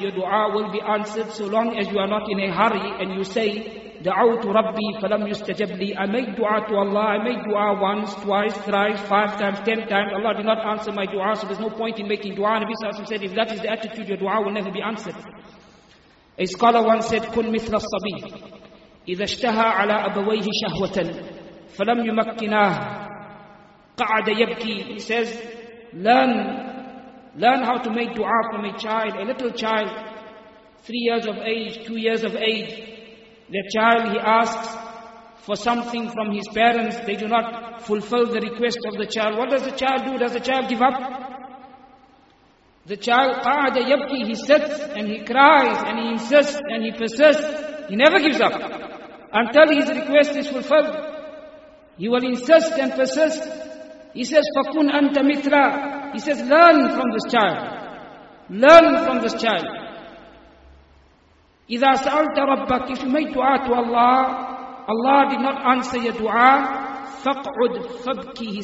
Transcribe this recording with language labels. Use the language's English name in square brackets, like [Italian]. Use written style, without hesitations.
[English] Your dua will be answered so long as you are not in a hurry and you say, [Arabic] دَعَوْتُ رَبِّي فَلَمْ يُسْتَجَبْ لِي. [English] I made dua to Allah. I made dua once, twice, thrice, five times, 10 times. Allah did not answer my dua, so there's no point in making dua. Nabi sallallahu alayhi wa sallam said, if that is the attitude, your dua will never be answered. A scholar once said, [Arabic] كُنْ مِثْلَ الصَّبِيِّ إِذَا اشْتَهَى عَلَىٰ أَبَوَيْهِ شَهْوَةً فَلَمْ يُمَكِّنَاهُ قَعَدَ يَبْكِي. [English] He says, learn how to make dua from a child, a little child, 3 years of age, 2 years of age. The child, he asks for something from his parents, they do not fulfill the request of the child. What does the child do? Does the child give up? The child, [Arabic] قَعَدَ يَبْكِي, [English] he sits and he cries and he insists and he persists. He never gives up until his request is fulfilled. He will insist and persist. He says, [Arabic] فَكُنْ أَنْتَ مِتْرَى. [English] He says, learn from this child. Learn from this child. [Arabic] إِذَا سَأَلْتَ رَبَّكَ. [English] If you make dua to Allah, Allah did not answer your dua, [Arabic] فَقْعُدْ فَبْكِي.